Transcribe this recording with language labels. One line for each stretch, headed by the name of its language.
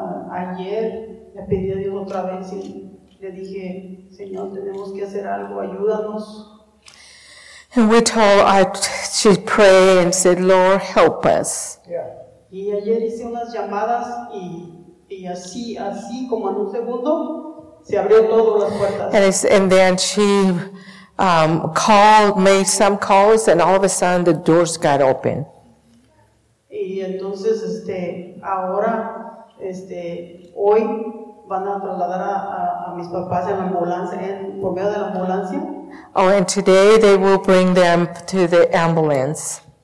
Spanish: Ayer le pedí a Dios otra vez y le dije, Señor, tenemos que hacer algo, ayúdanos.
English: And we told her to pray and said, Lord, help us. Yeah.
Spanish: Y ayer hice unas llamadas y así como en un segundo se abrió todas las puertas.
English: And then she made some calls and all of a sudden the doors got open.
Spanish: Y entonces ahora hoy van a trasladar a mis papás en la ambulancia, por medio de la ambulancia.
English: Oh, and today they will bring them to the ambulance.